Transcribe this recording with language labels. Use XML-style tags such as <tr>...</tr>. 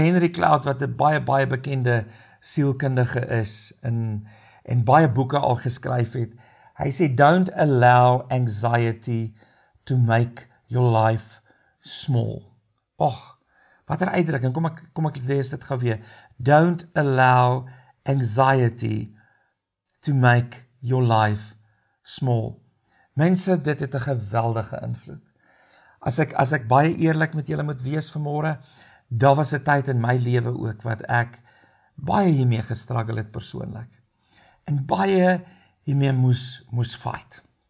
<af>Henry Cloud, wat 'n baie, baie bekende sielkundige is en baie boeke al geskryf het, hy sê,</af> <en>don't allow anxiety to make your life small.</en> <af>Och, wat 'n uitdrukking, kom ek lees dit gou weer.</af> <en>Don't allow anxiety to make your life small.</en> <af>Mense, dit het 'n geweldige invloed. As ek baie eerlik met julle moet wees vanmôre, daar was 'n tyd in my lewe ook wat ek baie hiermee gestruggle het persoonlik. En baie hiermee moes fight.</af>